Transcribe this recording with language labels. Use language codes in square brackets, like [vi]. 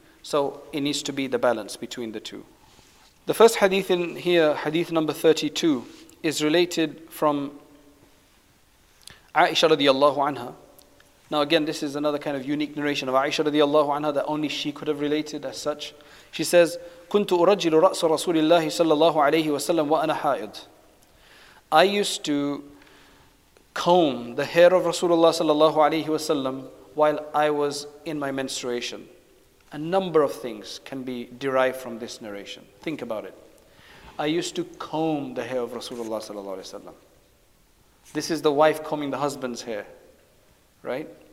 [en] So it needs to be the balance between the two. The first hadith in here, hadith number 32, is related from Aisha radiallahu anha. Now again, this is another kind of unique narration of Aisha radiallahu anha that only she could have related as such. She says, [ar] كنت أرجل رأس رسول الله صلى الله عليه وسلم وأنا حائض. [en] I used to comb the hair of Rasulullah sallallahu alayhi wasallam while I was in my menstruation. A number of things can be derived from this narration. Think about it. I used to comb the hair of Rasulullah sallallahu alayhi wasallam. This is the wife combing the husband's hair, right?